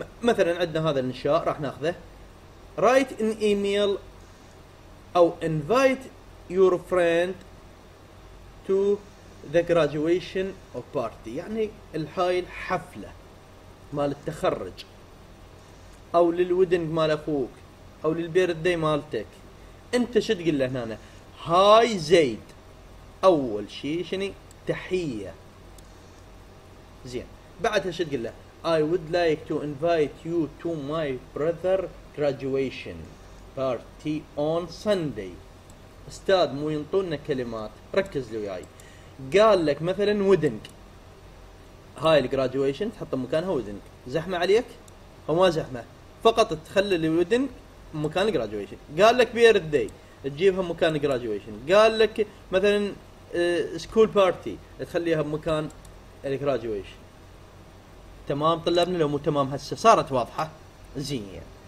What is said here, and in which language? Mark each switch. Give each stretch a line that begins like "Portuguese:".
Arabic: مثلا عندنا هذا الإنشاء راح نأخذه،
English: write an email
Arabic: أو
English: invite your friend to the graduation or party،
Arabic: يعني الهاي الحفلة مال التخرج أو للودنج مال أخوك أو للبيرثدي مالتك. انت شو تقول له هنا؟ هاي زيد، اول شيء شني تحيه، زين. بعدها شو تقول له؟
English: I would like to invite you to my brother graduation party on Sunday.
Arabic: استاذ مو ينطونا كلمات، ركز لي وياي. قال لك مثلا ودنك، هاي الجراديويشن تحط مكانها ودنك، زحمه عليك او ما زحمه؟ فقط تخلي الودنك مكان الجراديويشن. قال لك بيرثدي تجيبها مكان الجراديويشن. قال لك مثلا سكول بارتي تخليها مكان الجراديويشن، تمام طلابنا؟ لو مو تمام هسه صارت واضحه، زين.